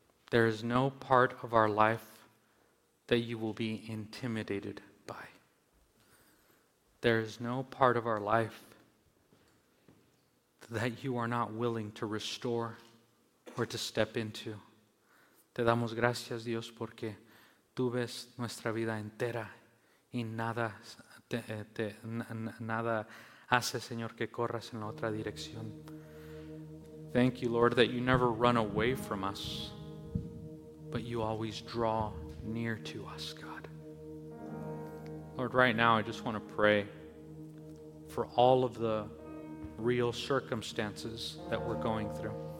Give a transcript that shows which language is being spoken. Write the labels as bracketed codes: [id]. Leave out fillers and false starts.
[en] There is no part of our life that you will be intimidated by. There is no part of our life that you are not willing to restore or to step into. [es] Te damos gracias, Dios, porque tú ves nuestra vida entera y nada hace, Señor, que corras en la otra dirección. [en] Thank you, Lord, that you never run away from us, but you always draw near to us, God. Lord, right now I just want to pray for all of the real circumstances that we're going through.